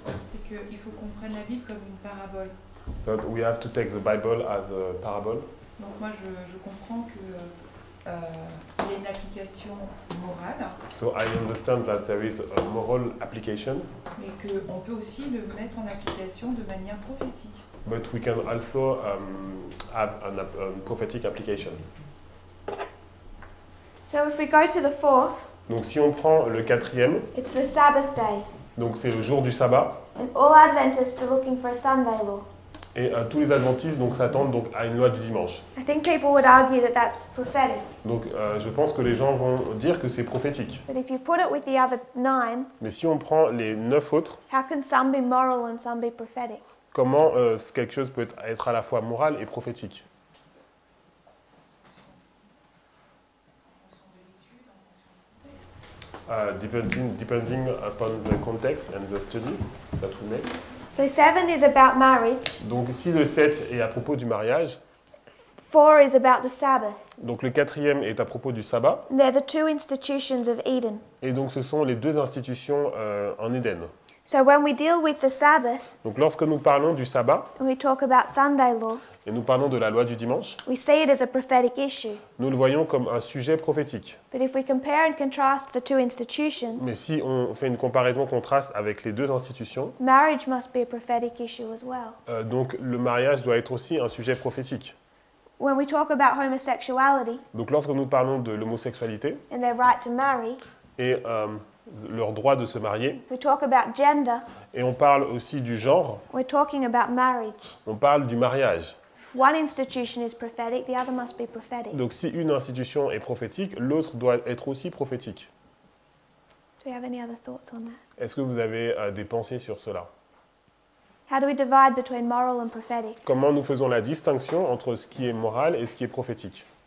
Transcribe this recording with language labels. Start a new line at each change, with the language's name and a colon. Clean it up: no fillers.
French: C'est qu'il faut qu'on prenne la Bible comme une parabole.
English: That we have to take the Bible as a parabole.
French: Donc moi, je comprends que il y a une application morale.
English: So I understand that there is a moral application.
French: Mais qu'on peut aussi le mettre en application de manière prophétique.
English: But we can also have a prophetic application. So if we go to the fourth.
French: Donc si on prend le quatrième.
English: It's the Sabbath day.
French: Donc c'est le jour du sabbat.
English: And all Adventists are looking for a Sunday law.
French: Et tous les Adventistes donc s'attendent donc à une loi du dimanche.
English: I think people would argue that that's prophetic.
French: Donc je pense que les gens vont dire que c'est prophétique.
English: But if you put it with the other nine.
French: Mais si on prend les neuf autres.
English: How can some be moral and some be prophetic?
French: Comment quelque chose peut être à la fois moral et prophétique?
English: Depending upon the context and the study that we make. So 7 is about marriage.
French: Donc si le 7 est à propos du mariage.
English: 4 is about the Sabbath.
French: Donc le quatrième est à propos du sabbat.
English: They're the two institutions of Eden.
French: Et donc ce sont les deux institutions en Éden.
English: So when we deal with the Sabbath,
French: donc lorsque nous parlons du sabbat,
English: we talk about Sunday law,
French: et nous parlons de la loi du dimanche,
English: we say it as a prophetic issue.
French: Nous le voyons comme un sujet prophétique.
English: But if we compare and contrast the two institutions,
French: mais si on fait une comparaison contraste avec les deux institutions,
English: marriage must be a prophetic issue as well.
French: Donc le mariage doit être aussi un sujet prophétique.
English: When we talk about homosexuality,
French: donc lorsque nous parlons de l'homosexualité,
English: and their right to marry,
French: et leur droit de se marier.
English: We talk about gender.
French: Et on parle aussi du genre.
English: We're talking about marriage.
French: On parle du mariage.
English: One institution is prophetic, the other must be prophetic.
French: Donc si une institution est prophétique, l'autre doit être aussi prophétique.
English: Do we have any other thoughts on that?
French: Est-ce que vous avez des pensées sur cela?
English: How do we divide between moral and prophetic?
French: Comment nous faisons la distinction entre ce qui est moral et ce qui est prophétique?